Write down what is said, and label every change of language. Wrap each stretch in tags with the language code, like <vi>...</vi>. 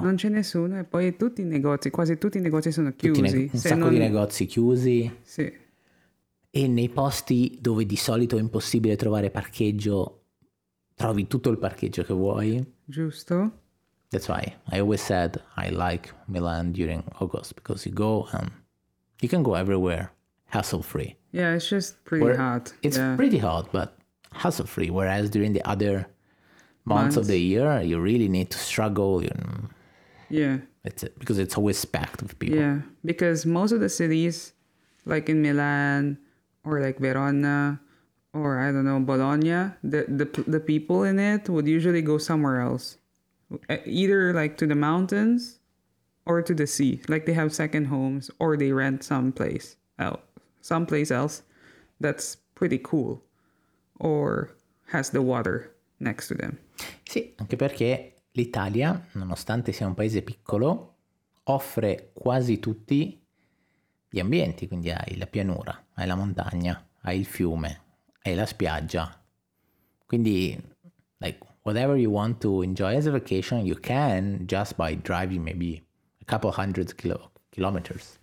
<it>Non c'è nessuno e poi quasi tutti i negozi sono chiusi. Di negozi chiusi. Sì. E nei posti dove di solito è impossibile trovare parcheggio, trovi tutto il parcheggio che vuoi. Giusto.</it> <en>That's why I always said I like Milan during August because you go and you can go everywhere. Hassle-free. Yeah, it's just pretty hot. It's pretty hot, but hassle-free. Whereas during the other months of the year, you really need to struggle. You know? Yeah. Because it's always packed with people. Yeah, because most of the cities, like in Milan or like Verona or, I don't know, Bologna, the people in it would usually go somewhere else. Either like to the mountains or to the sea. Like they have second homes or they rent someplace else that's pretty cool or has the water next to them.</en> <it>Sì, anche perché l'Italia, nonostante sia un paese piccolo, offre quasi tutti gli ambienti, quindi hai la pianura, hai la montagna, hai il fiume, hai la spiaggia. Quindi,</it> <en>like, whatever you want to enjoy as a vacation, you can just by driving maybe a couple hundred kilometers.</en>